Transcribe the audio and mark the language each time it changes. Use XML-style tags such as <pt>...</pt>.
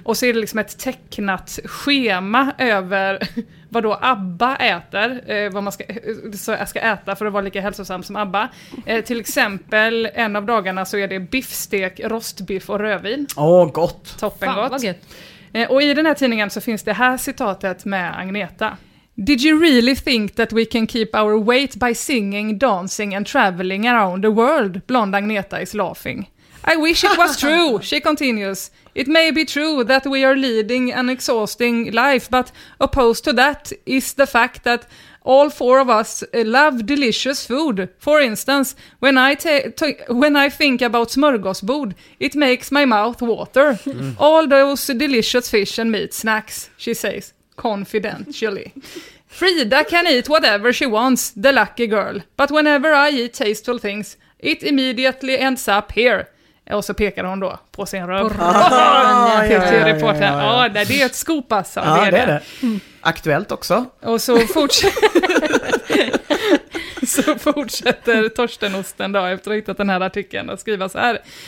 <sv>Och så är det liksom ett tecknat schema över vad då Abba äter, vad man ska äta för att vara lika hälsosam som Abba. Till exempel en av dagarna så är det biffstek, rostbiff och rödvin. Åh, gott! Toppen. Fan, gott. Vad gott. Och i den här tidningen så finns det här citatet med Agneta.</sv> <en>Did you really think that we can keep our weight by singing, dancing and traveling around the world? Blonde Agneta is laughing. I wish it was true, she continues. It may be true that we are leading an exhausting life, but opposed to that is the fact that all four of us love delicious food. For instance, when I think about smörgåsbord, it makes my mouth water. Mm. All those delicious fish and meat snacks, she says confidentially. Frida can eat whatever she wants, the lucky girl. But whenever I eat tasteful things, it immediately ends up here.</en> <sv>Och så pekar hon då på sin röv. Ja, det är ett skop alltså. Ja, det är det. Aktuellt också. Och så fortsätter Torsten Osten då efter att ha hittat den här artikeln att skriva så här.</sv>